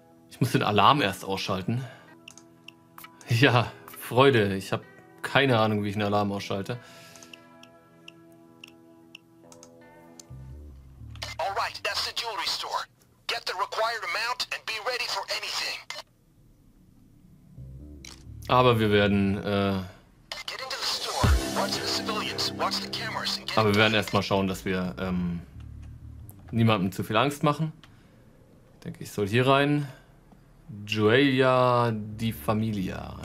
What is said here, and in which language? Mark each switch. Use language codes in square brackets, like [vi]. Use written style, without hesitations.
[de] Ich muss den Alarm erst ausschalten. Ja, Freude, ich habe keine Ahnung, wie ich einen Alarm ausschalte. [en] Alright, that's the jewelry store. Get the required amount and be ready for anything. [de] Aber wir werden erstmal schauen, dass wir niemandem zu viel Angst machen. Ich denke, ich soll hier rein. Gioia di Famiglia.